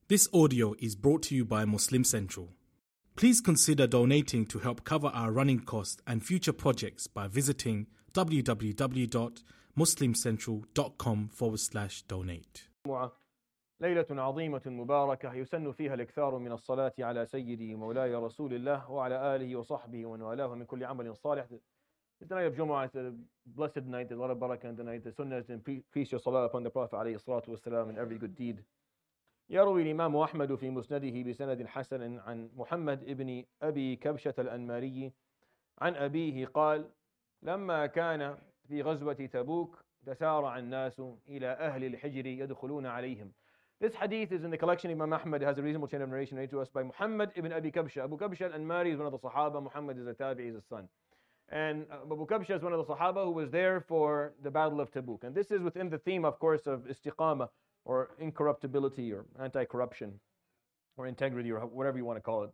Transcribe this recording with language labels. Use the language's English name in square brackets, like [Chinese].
[English] This audio is brought to you by Muslim Central. Please consider donating to help cover our running costs and future projects by visiting www.muslimcentral.com/donate. [Arabic] ليلة عظيمة مباركة يسن فيها الاكثار من الصلاة على سيدي مولاي رسول الله وعلى آله وصحبه ومن والاه من كل عمل صالح. [English] The night of Jumu'ah is a blessed night, a lot of barakah in the night. The sunnah is to increase your salah upon the Prophet [Arabic] عليه الصلاة والسلام [English] and every good deed. [Arabic] يروي الإمام أحمد في مسنده بسند حسن عن محمد ابن أبي كبشة الأنماري عن أبيه قال لما كان في غزوة تبوك تسارع الناس إلى أهل الحجر يدخلون عليهم. [English] This hadith is in the collection of Imam Ahmad. It has a reasonable chain of narration made to us by Muhammad ibn Abi Kabsha. Abu Kabsha al-Anmari is one of the Sahaba. Muhammad is a Tabi'i, is a son. And Abu Kabsha is one of the Sahaba who was there for the Battle of Tabuk. And this is within the theme, of course, of istiqama, or incorruptibility, or anti-corruption, or integrity, or whatever you want to call it.